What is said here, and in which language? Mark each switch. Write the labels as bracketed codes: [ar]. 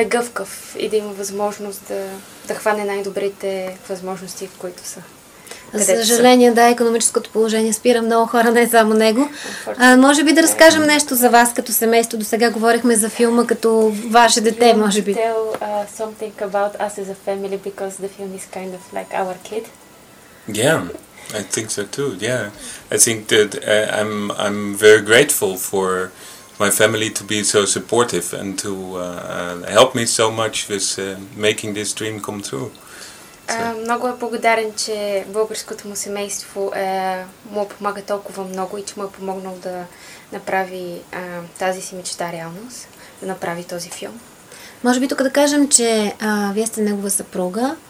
[bg] е гъвкав и да има възможност да хване най-добрите възможности, които са. За съжаление, да, икономическото положение спира много хора, не само него. Може би да разкажем нещо за вас като семейство. До сега говорихме за филма като ваше дете, може би. [en] Tell something about us as a family because the film is kind of like our kid. Yeah, I think so too. Yeah. I think that I'm very grateful for my family to be so supportive and to help me so much with making this dream come true. [bg] Много е благодарен, че българското му семейство му помага толкова много и че му е помогнал да направи тази си мечта реалност, да направи този филм. Може би тук да кажем, че вие сте негова съпруга.